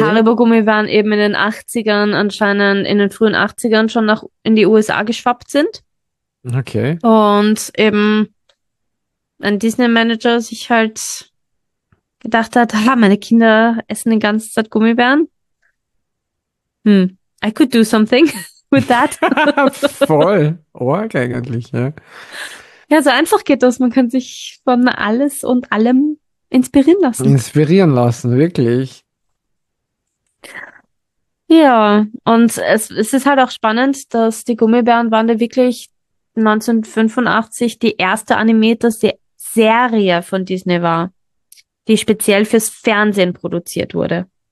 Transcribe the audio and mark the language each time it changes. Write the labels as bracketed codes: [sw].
[de] Haribo-Gummibären eben in den 80ern anscheinend in den frühen 80ern schon nach in die USA geschwappt sind. Okay. Und eben ein Disney-Manager sich halt gedacht hat, ah, meine Kinder essen die ganze Zeit Gummibären. [en] I could do something with that. [de] Voll. Oh, eigentlich, ja. Ja, so einfach geht das. Man kann sich von alles und allem inspirieren lassen. Inspirieren lassen, wirklich. Ja, und es ist halt auch spannend, dass die Gummibärenbande wirklich 1985 die erste animierte Serie von Disney war, die speziell fürs Fernsehen produziert wurde.